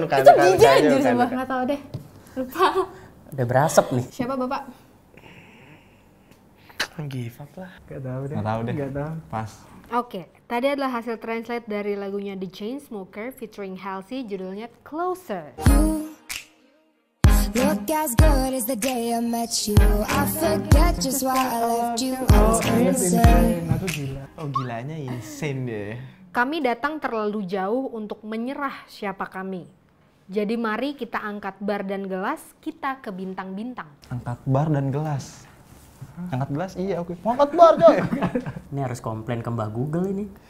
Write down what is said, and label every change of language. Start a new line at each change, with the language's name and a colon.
Indonesian: Itu DJ anjir sama. Gak tau deh. Lupa. Udah berasap nih. Siapa bapak?
English: Give up lah.
Indonesian: Gak tau deh. Gak tau. Pas. Oke, tadi adalah hasil translate dari lagunya The Chainsmoker featuring Halsey, judulnya Closer.
English: Look as good as the day I met you. I forget just why I left you.
Indonesian: Oh, insane. Oh, gilanya insane deh. Kami datang terlalu jauh untuk menyerah siapa kami. Jadi mari kita angkat bar dan gelas kita ke bintang-bintang. Angkat bar dan gelas. Angkat gelas? Iya, oke. Okay. Angkat bar, coy. Ini harus komplain ke Mbak Google ini.